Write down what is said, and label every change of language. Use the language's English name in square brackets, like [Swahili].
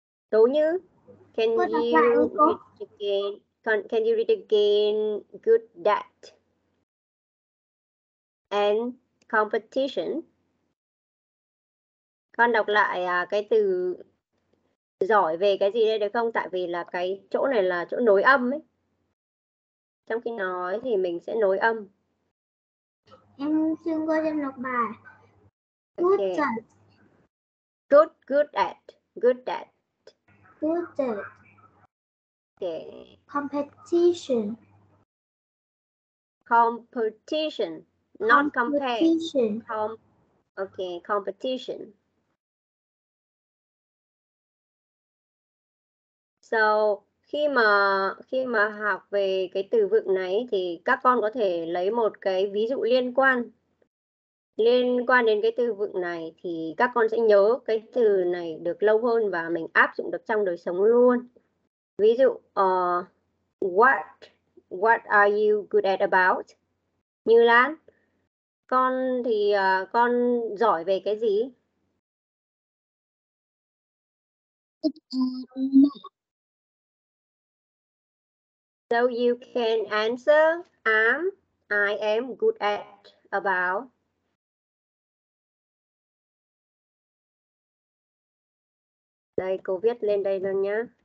[English] Tố Như, can you read again good that and competition? [Vietnamese] Con đọc lại cái từ giỏi về cái gì đây được không? Tại vì là cái chỗ này là chỗ nối âm ấy. Trong khi nói thì mình sẽ nối âm. Em xin qua em đọc bài. [English] Good at. Good, good at. Good at. Good at. Okay. Competition. Competition. Not compare. Okay, competition. [Vietnamese] So, Khi mà học về cái từ vựng này thì các con có thể lấy một cái ví dụ liên quan đến cái từ vựng này thì các con sẽ nhớ cái từ này được lâu hơn và mình áp dụng được trong đời sống luôn. Ví dụ [English] what are you good at about? [Vietnamese] Như Lan, con thì con giỏi về cái gì? [English] So you can answer, I am good at about. [Vietnamese] Đây, cô viết lên đây luôn nhá.